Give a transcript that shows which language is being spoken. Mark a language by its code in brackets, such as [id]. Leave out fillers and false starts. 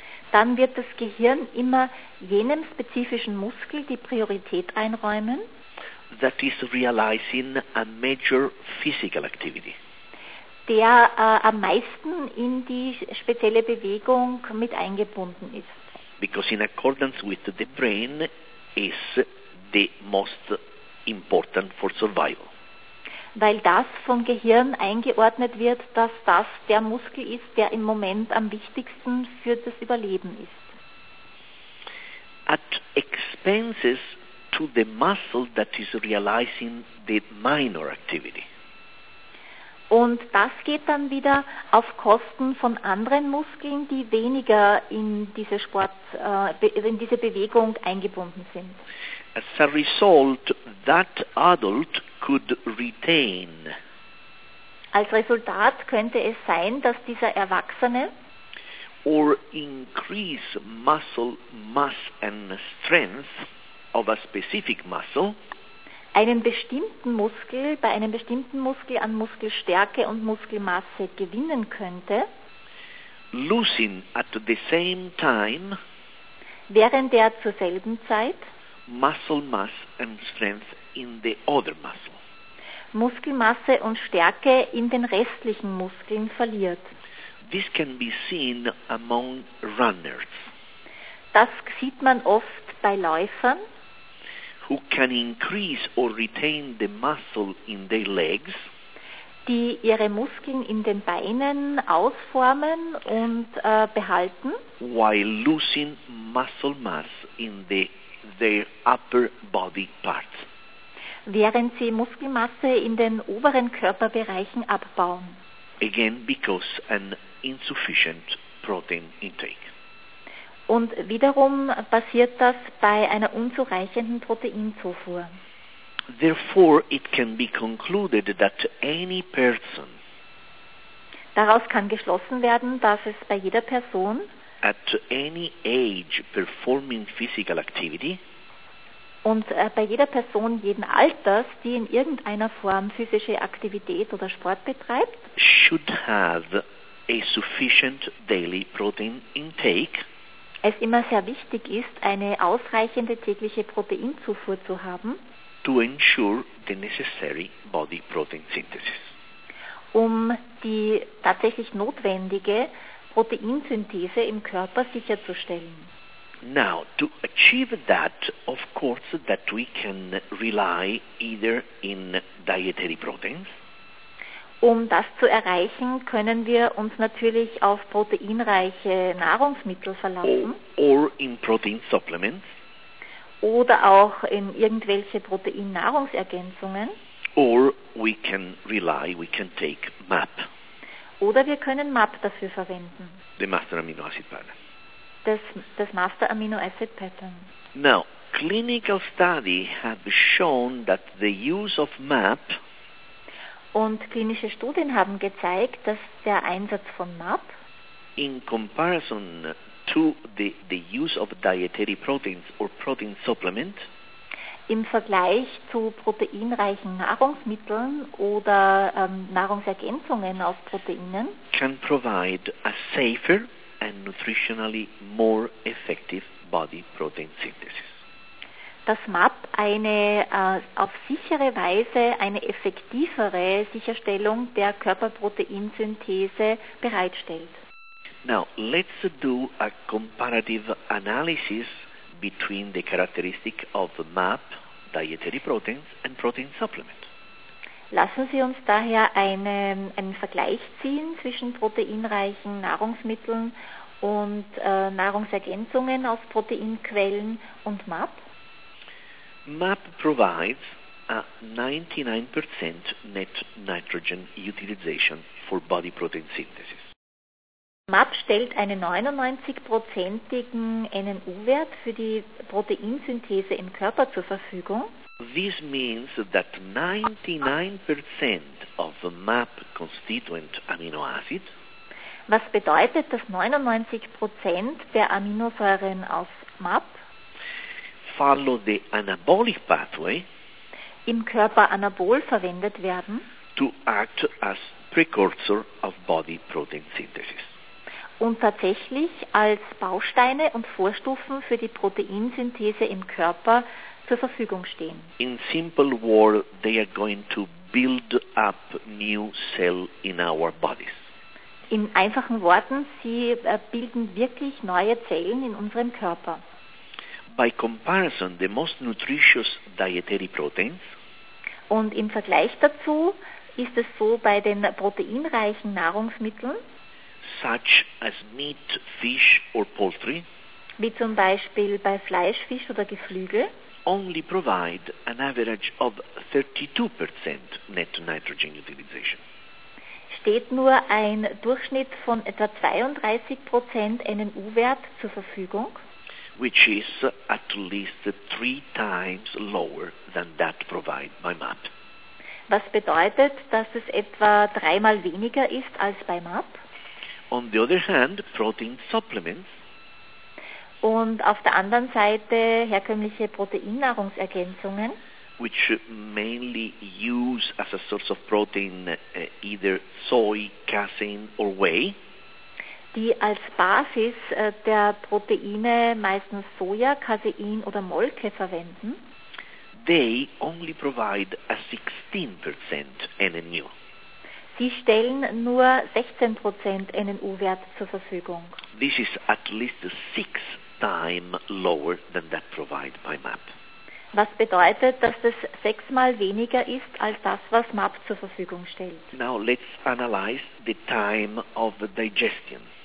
[de] dann wird das Gehirn immer jenem spezifischen Muskel die Priorität einräumen, [en] that is realizing a major physical activity, [de] der am meisten in die spezielle Bewegung mit eingebunden ist. [en] Because in accordance with the brain is the most important for survival. [de] Weil das vom Gehirn eingeordnet wird, dass das der Muskel ist, der im Moment am wichtigsten für das Überleben ist. [en] At expenses to the muscle that is realizing the minor activity. [de] Und das geht dann wieder auf Kosten von anderen Muskeln, die weniger in diese Bewegung eingebunden sind. [en] As a result, that adult could retain. [de] Als Resultat könnte es sein, dass dieser Erwachsene [en] or increase muscle mass and strength of a specific muscle [de] einen bestimmten Muskel an Muskelstärke und Muskelmasse gewinnen könnte, [en] losing at the same time, [de] während er zur selben Zeit [en] muscle mass and strength in the other muscle, [de] Muskelmasse und Stärke in den restlichen Muskeln verliert. [en] This can be seen among runners. [de] Das sieht man oft bei Läufern, [en] who can increase or retain the muscle in their legs, [de] die ihre Muskeln in den Beinen ausformen und behalten, [en] while losing muscle mass in their upper body parts, [de] während sie Muskelmasse in den oberen Körperbereichen abbauen. [en] Again, because an insufficient protein intake. [de] Und wiederum passiert das bei einer unzureichenden Proteinzufuhr. [en] Therefore, it can be concluded that any person, [de] daraus kann geschlossen werden, dass es bei jeder Person [en] at any age performing physical activity, [de] und bei jeder Person jeden Alters, die in irgendeiner Form physische Aktivität oder Sport betreibt, [en] should have a sufficient daily protein intake. [de] Es immer sehr wichtig ist, eine ausreichende tägliche Proteinzufuhr zu haben, [en] to ensure the necessary body protein synthesis, [de] um die tatsächlich notwendige Proteinsynthese im Körper sicherzustellen. [en] Now, to achieve that, of course, that we can rely either in dietary proteins. [de] Um das zu erreichen, können wir uns natürlich auf proteinreiche Nahrungsmittel verlassen. [en] Or in protein supplements. [de] Oder auch in irgendwelche Proteinnahrungsergänzungen. [en] Or we can rely, we can take MAP. [de] Oder wir können MAP dafür verwenden. [en] The Master Amino Acid Pattern. [de] Das Master Amino Acid Pattern. [en] Now, clinical studies have shown that the use of MAP, [de] und klinische Studien haben gezeigt, dass der Einsatz von MAP [en] in comparison to the use of dietary proteins or protein supplement. [de] Im Vergleich zu proteinreichen Nahrungsmitteln oder Nahrungsergänzungen aus Proteinen [en] can provide a safer and nutritionally more effective body protein synthesis. [de] Dass MAP eine auf sichere Weise eine effektivere Sicherstellung der Körperproteinsynthese bereitstellt. [en] Now let's do a comparative analysis between the characteristic of MAP, dietary proteins and protein supplement. [de] Lassen Sie uns daher einen Vergleich ziehen zwischen proteinreichen Nahrungsmitteln und Nahrungsergänzungen aus Proteinquellen und MAP. [en] MAP provides a 99% net nitrogen utilization for body protein synthesis. [de] MAP stellt einen 99%igen NNU-Wert für die Proteinsynthese im Körper zur Verfügung. [en] This means that 99% of the MAP constituent amino acid. [de] Was bedeutet, dass 99% der Aminosäuren aus MAP [en] follow the anabolic pathway [de] im Körper anabol verwendet werden [en] to act as precursor of body protein synthesis [de] und tatsächlich als Bausteine und Vorstufen für die Proteinsynthese im Körper zur Verfügung stehen. [en] In simple words, they are going to build up new cell in our bodies. [de] In einfachen Worten, sie bilden wirklich neue Zellen in unserem Körper. [en] By comparison, the most nutritious dietary proteins. [de] Und im Vergleich dazu ist es so bei den proteinreichen Nahrungsmitteln. [en] Such as meat, fish or poultry. [de] Wie zum Beispiel bei Fleisch, Fisch oder Geflügel. [en] Only provide an average of 32% net nitrogen utilization. [de] Steht nur ein Durchschnitt von etwa 32% NNU-Wert zur Verfügung. [en] Which is at least 3 times lower than that provided by MAP. [de] Was bedeutet, dass es etwa 3-mal weniger ist als bei MAP? [en] On the other hand, protein supplements. [de] Und auf der anderen Seite herkömmliche Proteinnahrungsergänzungen. [en] Which mainly use as a source of protein either soy, casein or whey. [de] Die als Basis der Proteine meistens Soja, Casein oder Molke verwenden. [en] They only provide a 16% NNU. [de] Sie stellen nur 16% NNU-Wert zur Verfügung. [en] This is at least 6 times lower than that provided by MAP. [de] Was bedeutet, dass es 6-mal weniger ist als das, was MAP zur Verfügung stellt. [en] Now let's analyze the time of the digestion.